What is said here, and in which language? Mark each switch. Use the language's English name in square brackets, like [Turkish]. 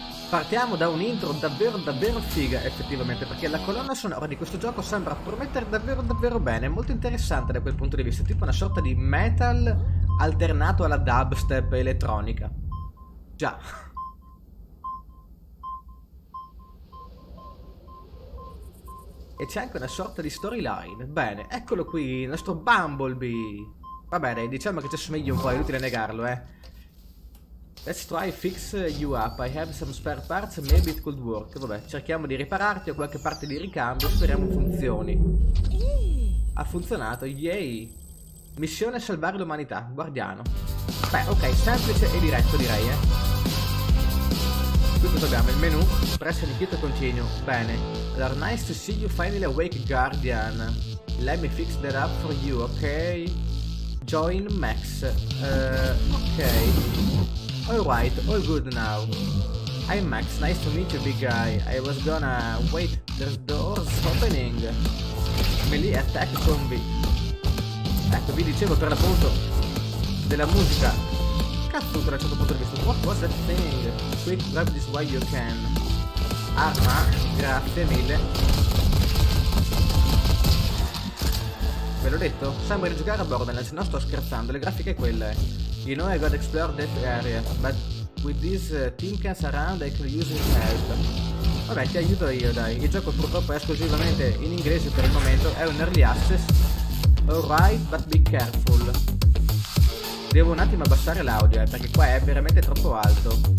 [Italian] Partiamo da un intro davvero davvero figa effettivamente, perché la colonna sonora di questo gioco sembra promettere davvero davvero bene, è molto interessante da quel punto di vista, tipo una sorta di metal alternato alla dubstep elettronica. Già. E c'è anche una sorta di storyline. Bene, eccolo qui, il nostro Bumblebee. Vabbè, dai, diciamo che ci assomigli un po', è inutile negarlo, eh. [English] Let's try fix you up. I have some spare parts, maybe it could work. [Italian] Vabbè, cerchiamo di ripararti o qualche parte di ricambio, speriamo funzioni. Ha funzionato, yay! Missione salvare l'umanità, guardiano. Beh, ok, semplice e diretto direi, eh. Qui cosa abbiamo? Il menu? [English] Press and hit continue. Bene. Allora, nice to see you finally awake, Guardian. Let me fix that up for you, ok? Join Max. Ok. Alright, all good now. I'm Max, nice to meet you, big guy. I was gonna... Wait, there's doors opening. Melee attack combi. [Italian] Ecco, vi dicevo per l'appunto della musica. Cazzo, da un certo punto di vista. [English] What was that thing? Quick, grab this while you can. [Italian] Arma, grazie mille. Ve l'ho detto? Sembra di giocare a Borderlands, no, sto scherzando, le grafiche quelle. [English] You know I gotta explore that area, but with these tin cans around I could use your help. [Italian] Vabbè, ti aiuto io, dai. Il gioco purtroppo è esclusivamente in inglese per il momento, è un early access. [English] Alright, but be careful. [Italian] Devo un attimo abbassare l'audio, perché qua è veramente troppo alto.